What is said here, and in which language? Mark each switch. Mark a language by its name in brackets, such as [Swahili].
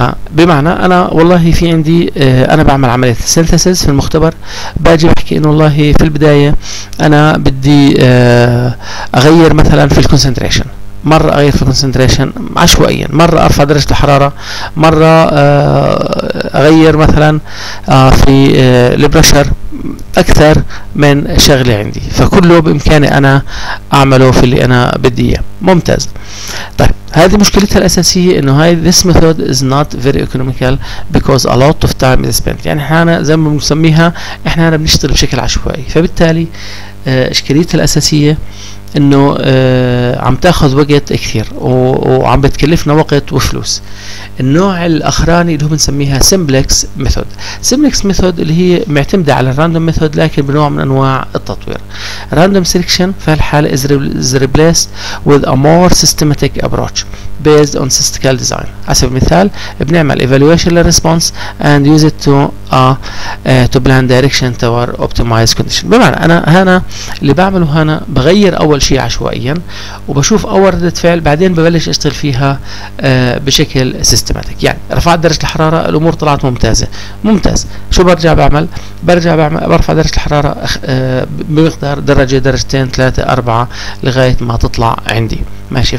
[Arabic] بمعنى انا والله في عندي انا بعمل عمليه سينثيسيس في المختبر، باجي بحكي انه والله في البدايه انا بدي اغير مثلا في الكونسنتريشن، مره اغير في الكونسنتريشن عشوائيا، مره ارفع درجه الحراره، مره اغير مثلا في البريشر اكثر من شغله عندي، فكله بامكاني انا اعمله في اللي انا بدي اياه. ممتاز. طيب هذه مشكلتها الأساسية إنه هاي [English] this method is not very economical because a lot of time is spent. [Arabic] يعني إحنا زي ما بنسميها إحنا هنا بنشتغل بشكل عشوائي، فبالتالي إشكاليتها الأساسية إنه عم تأخذ وقت كثير وعم بتكلفنا وقت وفلوس. النوع الأخراني اللي هو بنسميها simplex method. simplex method اللي هي معتمدة على random method لكن بنوع من أنواع التطوير. [English] random selection [Arabic] في هالحالة [English] is replaced with a more systematic approach based on statistical design. [Arabic] حسب المثال بنعمل [English] evaluation للresponse and use it to plan direction toward optimized condition. [Arabic] بمعنى انا هنا اللي بعمله هنا بغير اول شيء عشوائيا وبشوف اول ردة فعل، بعدين ببلش اشتغل فيها بشكل systematic. يعني رفعت درجة الحرارة الامور طلعت ممتازة، ممتاز شو برجع بعمل؟ برفع درجة الحرارة بمقدار درجة درجتين ثلاثة اربعة لغاية ما تطلع عندي ماشي.